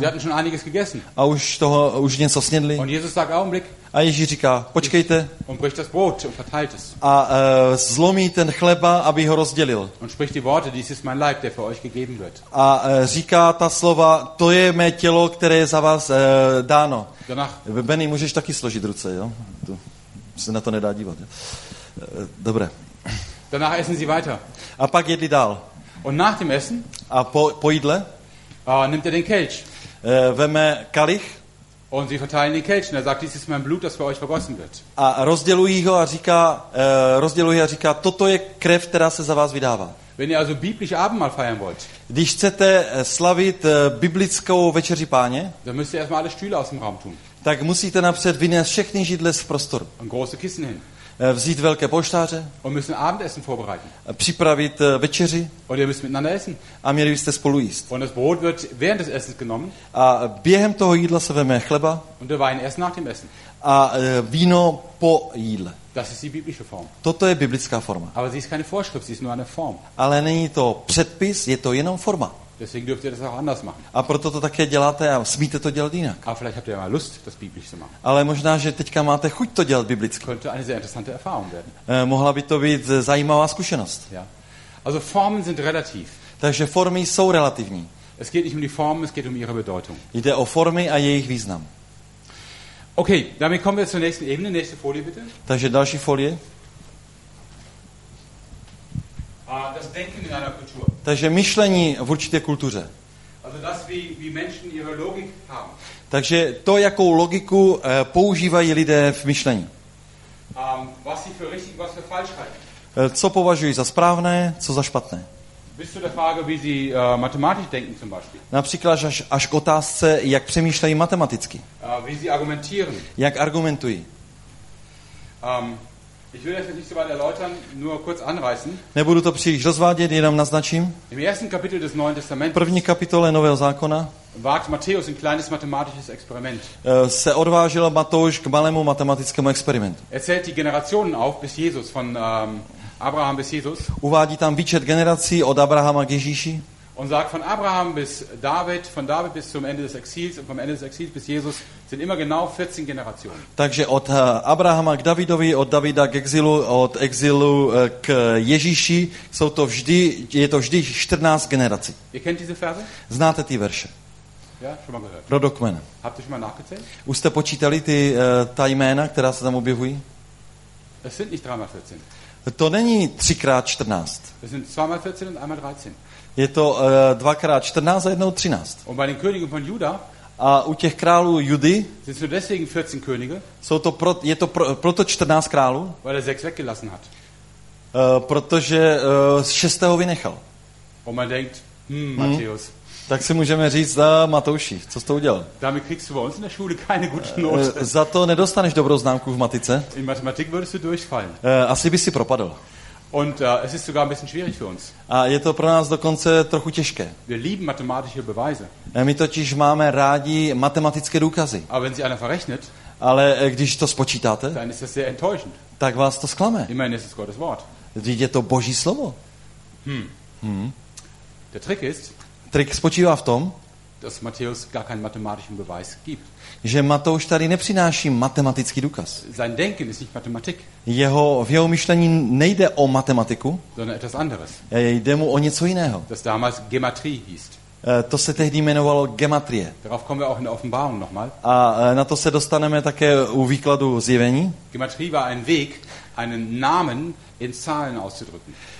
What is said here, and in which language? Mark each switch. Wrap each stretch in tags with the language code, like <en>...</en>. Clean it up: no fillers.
<de>Sie hatten schon einiges gegessen.</de> <cs>A už něco snědli.</cs> <de>Und Jesus sagt Augenblick.</de> <cs>A Ježíš říká, počkejte.</cs> <de>Und bricht das Brot und verteilt es.</de> <cs>A zlomí ten chleba, aby ho rozdělil.</cs> <de>Und spricht die Worte, dies ist mein Leib, der für euch gegeben wird.</de> <cs>A říká ta slova, to je mé tělo, které je za vás dáno.</cs> <de>Danach.</de> <cs>Benny, můžeš taky složit ruce, jo? Tu se na to nedá dívat, jo? Dobré.</cs> <de>Danach essen sie weiter.</de> <cs>A pak jedli dál.</cs> <de>Und nach dem Essen?</de> <cs>A po jídle?</cs> <de>Nimmt er den Kelch.</de> <cs>Veme kalich.</cs> <de>Und sie verteilen den Kelch. Und er sagt, dies ist mein Blut, das für euch vergossen wird.</de> <cs>A rozdělují ho a říká, toto je krev, která se za vás vydává.</cs> <de>Wenn ihr also biblisch Abendmahl feiern wollt.</de> <cs>Když chcete slavit biblickou večeři Páně,</cs> <de>dann müsst ihr erstmal alle Stühle aus dem Raum tun.</de> <cs>Tak musíte napřed vynést všechny židle z prostoru.</cs> <de>Und große Kissen hin.</de> <cs>Vzít velké polštáře.</cs> <de>Und müssen Abendessen vorbereiten.</de> <cs>Připravit večeři.</cs> <de>Und ihr müsst miteinander essen.</de> <cs>A měli byste spolu jíst.</cs> <de>Und das Brot wird während des Essens genommen.</de> <cs>A během toho jídla se veme chleba.</cs> <de>Und der Wein erst nach dem Essen.</de> <cs>A víno po jídle.</cs> <de>Das ist die biblische Form.</de> <cs>Toto je biblická forma.</cs> <de>Aber sie ist keine Vorschrift, sie ist nur eine Form.</de> <cs>Ale není to předpis, je to jenom forma.</cs> <de>Deswegen dürft ihr das auch anders machen.</de> <cs>A proto to také děláte a smíte to dělat jinak.</cs> <de>Aber vielleicht habt ihr mal Lust, das biblisch zu machen.</de> <cs>Ale možná, že teďka máte chuť to dělat biblicky.</cs> <de>Könnte eine sehr interessante Erfahrung werden.</de> <cs>Mohla by to být zajímavá zkušenost.</cs> <de>Ja. Also Formen sind relativ.</de> <cs>Takže formy jsou relativní.</cs> <de>Es geht nicht um die Formen, es geht um ihre Bedeutung.</de> <cs>Jde o formy a jejich význam.</cs> <de>Okay, damit kommen wir zur nächsten Ebene. Nächste Folie bitte.</de> <cs>Takže další folie.</cs> <de>Das Denken in einer Kultur.</de> <cs>Takže myšlení v určité kultuře.</cs> <de>Also das, wie Menschen ihre Logik haben.</de> <cs>Takže to, jakou logiku používají lidé v myšlení.</cs> <de>Was sie für richtig, was für falsch halten.</de> <cs>Co považují za správné, co za špatné.</cs> <de>Bis zu der Frage, wie sie mathematisch denken zum Beispiel.</de> <cs>Například až k otázce, jak přemýšlejí matematicky.</cs> <de>Wie sie argumentieren.</de> <cs>Jak argumentují.</cs> <de>Ich will das jetzt nicht so weit erläutern, nur kurz anreißen.</de> <cs>Nebudu to příliš rozvádět, jenom naznačím.</cs> <de>Im ersten Kapitel des Neuen Testaments.</de> <cs>V první kapitole Nového zákona.</cs> <de>Wagt Matthäus ein kleines mathematisches Experiment.</de> <cs>Se odvážil Matouš k malému matematickému experimentu.</cs> <de>Er zählt die Generationen auf bis Jesus, von Abraham bis Jesus.</de> <cs>Uvádí tam výčet generací od Abrahama k Ježíši.</cs> <de>Und sagt von Abraham bis David, von David bis zum Ende des Exils und vom Ende des Exils bis Jesus sind immer genau 14 Generationen.</de> <cs>Takže od Abrahama k Davidovi, od Davida k exilu, od exilu k Ježíši, jsou to vždy, je to vždy 14 generací.</cs> <de>Ihr kennt diese Verse?</de> <cs>Znáte ty verše?</cs> <de>Ja, schon mal gehört.</de> <cs>Rodokmen.</cs> <de>Habt ihr schon mal nachgezählt?</de> <cs>Už jste počítali ta jména, která se tam objevují?</cs> <de>Es sind nicht 3x14.</de> <cs>To není 3x14.</cs> <de>Es sind 2x14 und einmal 13.</de> <cs>Je to 2x14 a jednou 13.</cs> <de>Und bei den Königen von Juda,</de> <cs>a u těch králů Judy</cs> <de>sind so deswegen 14 Könige,</de> <cs>jsou to pro, je to pro, proto 14 králů,</cs> <de>weil er 6 weggelassen hat.</de> <cs>Protože z 6. vynechal.</cs> <de>Und man denkt, Matthäus.</de> <cs>Tak si můžeme říct, Matouši, co jsi to udělal?</cs> <de>Damit kriegst du bei uns in der Schule keine gute Note.</de> <cs>Za to nedostaneš dobrou známku v matice.</cs> <de>In Mathematik würdest du durchfallen.</de> <cs>Asi bys si propadl.</cs> <de>Und es ist sogar ein bisschen schwierig für uns.</de> <cs>A je to pro nás dokonce trochu těžké.</cs> <de>Wir lieben mathematische Beweise.</de> <cs>My totiž máme rádi matematické důkazy.</cs> <de>Aber wenn sie einer verrechnet,</de> <cs>ale když to spočítáte,</cs> <de>dann ist das sehr enttäuschend.</de> <cs>Tak vás to zklame.</cs> <de>Immerhin ist es Gottes Wort.</de> <cs>Je to Boží slovo.</cs> <de>Der Trick ist,</de> <cs>trik spočívá v tom,</cs> <de>dass Matthäus gar keinen mathematischen Beweis gibt.</de> <cs>Že Matouš tady nepřináší matematický důkaz.</cs> <de>Sein Denken ist nicht Mathematik.</de> <cs>V jeho myšlení nejde o matematiku,</cs> <de>sondern etwas anderes.</de> <cs>Jde mu o něco jiného.</cs> <de>Das damals Gematrie hieß.</de> <cs>To se tehdy jmenovalo Gematrie.</cs> <de>Darauf kommen wir auch in der Offenbarung nochmal.</de> <cs>A na to se dostaneme také u výkladu zjevení.</cs> <de>Gematrie war ein Weg, einen Namen in Zahlen auszudrücken.</de>